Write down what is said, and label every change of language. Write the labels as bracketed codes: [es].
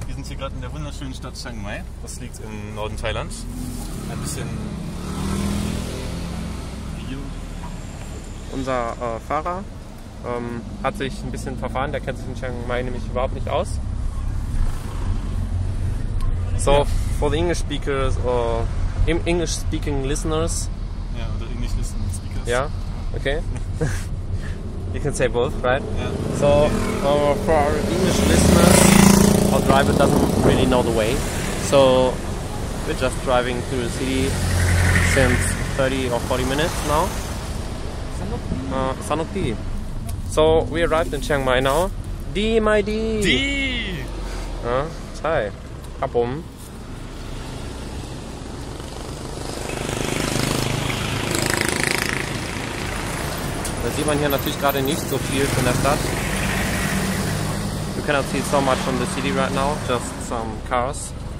[de] Wir sind hier gerade in der wunderschönen Stadt Chiang Mai. Das liegt im Norden Thailands. Ein bisschen Video. Unser Fahrer hat sich ein bisschen verfahren. Der kennt sich in Chiang Mai nämlich überhaupt nicht aus. [en] So, for the English speakers or English speaking listeners. [de] Ja, oder [en] English listening speakers. Ja, okay. You can say both, right? Yeah. So, for our English listeners, our driver doesn't really know the way. So, we're just driving through the city since 30 or 40 minutes now. [th] Sanok Di. [en] So, we arrived in Chiang Mai now. Di, my Di! Di! Thai. Kapum. [de] Da sieht man hier natürlich gerade nicht so viel von der Stadt. [en] You cannot see so much from the city right now, just some cars.